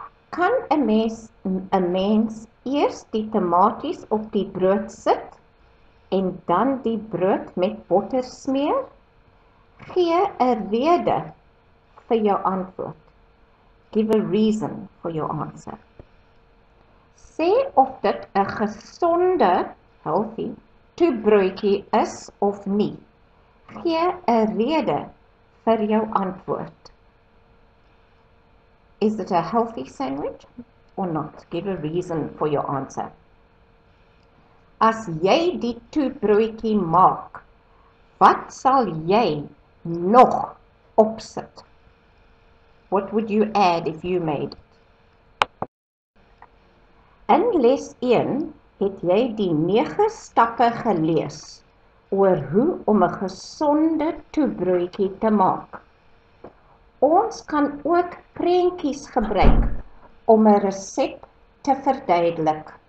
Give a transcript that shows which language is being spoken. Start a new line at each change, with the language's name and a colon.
Afrikaans: Kan 'n mens eers die tamaties op die brood sit en dan die brood met botter smeer? Gee 'n rede vir jou antwoord.
English: Give a reason for your answer.
Afrikaans: Sê of dit 'n gesonde, healthy, toebroodjie is of nie. Gee 'n rede vir jou antwoord.
English: Is it a healthy sandwich or not? Give a reason for your answer.
Afrikaans: As jy die toebroodjie maak, wat sal jy nog opsit?
English: What would you add if you made?
Afrikaans: In les 1 het jy die 9 stappe gelees oor hoe om 'n gesonde toebroodjie te maak. Ons kan ook prentjies gebruik om 'n resep te verduidelik.